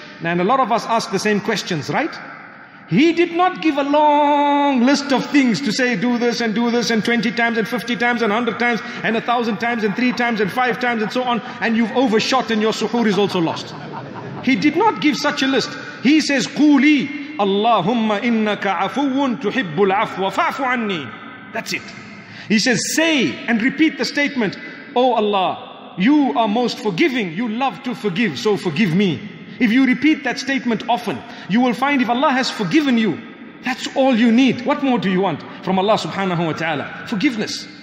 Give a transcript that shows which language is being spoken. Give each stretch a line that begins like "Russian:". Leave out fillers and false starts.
English: And a lot of us ask the same questions, right? He did not give a long list of things to say, do this, and 20 times, and 50 times, and 100 times, and 1,000 times, and 3 times, and 5 times, and so on, and you've overshot, and your suhoor is also lost. He did not give such a list. He says,
Arabic: قُولِي اللَّهُمَّ إِنَّكَ عَفُوٌّ تُحِبُّ الْعَفْوَ فَعْفُ عَنِّي.
English: That's it. He says, say, and repeat the statement, O Allah, you are most forgiving, you love to forgive, so forgive me. If you repeat that statement often, you will find if Allah has forgiven you, that's all you need. What more do you want from Allah subhanahu wa ta'ala? Forgiveness.